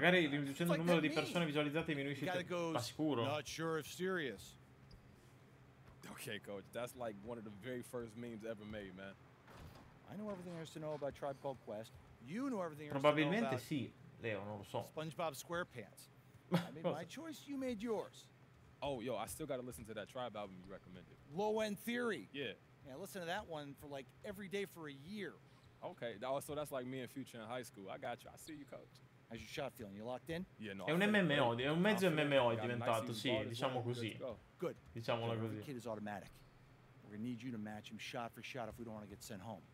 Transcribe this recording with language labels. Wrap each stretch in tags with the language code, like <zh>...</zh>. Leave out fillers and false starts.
<it>Magari riducendo il numero di persone visualizzate diminuisce il tempo. Ma sicuro.</it> <en>Not sure if serious. Okay, coach. That's like one of the very first memes ever made, man. I know everything there is to know about Tribe Called Quest. You know everything there is to know about.</en> <it>Probabilmente sì, Leo, non lo so.</it> <en>SpongeBob SquarePants. I made my choice, you made yours. Oh, yo, I still gotta listen to that Tribe album you recommended. Low End Theory. Yeah. Yeah, listen to that one for like every day for a year. Okay, so that's like me and Future in high school. I got you. I see you, coach. How's your shot feeling? You locked in? Yeah, no.</en> <it>È un MMO, è un mezzo MMO è diventato, sì, diciamo così.</it> <en>Good.</en> <it>Diciamola così.</it> <en>The kid is automatic. We're gonna need you to match him shot for shot if we don't want to get sent home.</en>